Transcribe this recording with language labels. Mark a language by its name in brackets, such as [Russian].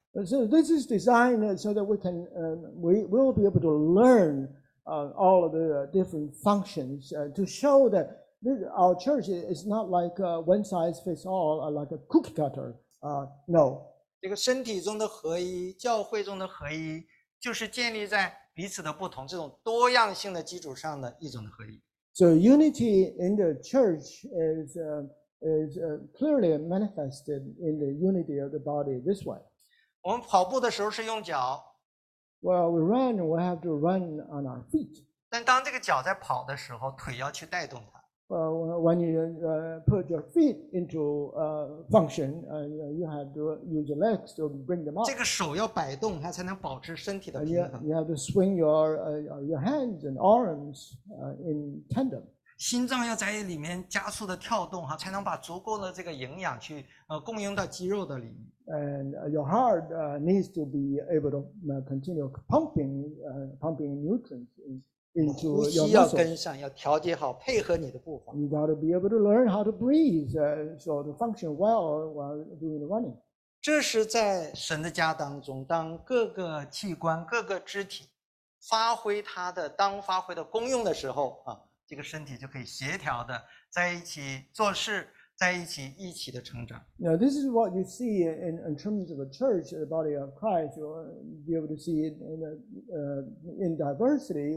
[English] So this is designed so that we can, we will be able to learn, all of the different functions, to show that this, our church is not like one size fits all, like a cookie cutter. No. [Chinese] 这个身体中的合一，教会中的合一，就是建立在彼此的不同这种多样性的基础上的一种的合一。 [English] So unity in the church is clearly manifested in the unity of the body this way. [Chinese] 我们跑步的时候是用脚。 [English] Well, we run, we have to run on our feet. [Chinese] 但当这个脚在跑的时候，腿要去带动它。 [English] Well, when you put your feet into function, you have to use your legs to bring them up. [Chinese] 这个手要摆动，它才能保持身体的平衡。 [English] You have to swing your hands and arms in tandem. [Chinese] 心脏要在里面加速的跳动，才能把足够的这个营养去供应到肌肉的里面。 [English] And your heart needs to be able to continue pumping nutrients in. [Chinese] 呼吸要跟上，要调节好，配合你的步伐。 [English] You got to be able to learn how to breathe, so to function well while doing the running. [Chinese] 这是在神的家当中，当各个器官、各个肢体发挥它的当发挥的功用的时候啊，这个身体就可以协调的在一起做事，在一起一起的成长。 [English] Now this is what you see in terms of a church, the body of Christ. You'll be able to see it in diversity.